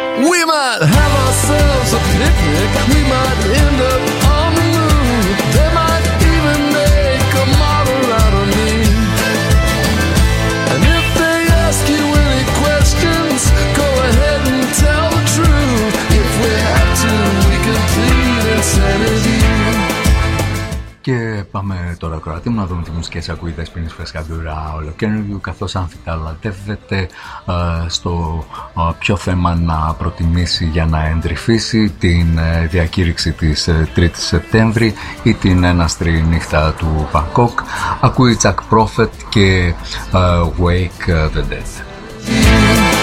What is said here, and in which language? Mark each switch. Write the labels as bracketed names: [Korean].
[English] We might have ourselves a picnic, we might end up on the moon. They might even make a model out of me. And if they ask you any questions, go ahead and tell the truth. If we have to, we can plead insanity. [Greek] Και πάμε τώρα ακροατή μου να δούμε τι μουσικές ακούει η Δέσποινη Φρεσκαδούρα ολοκαίνουργιου, καθώς αμφιταλατεύεται στο ποιο θέμα να προτιμήσει για να εντρυφήσει, την διακήρυξη της 3ης Σεπτέμβρη ή την έναστρη νύχτα του Bangkok. Ακούει Chuck Prophet και Wake the Dead.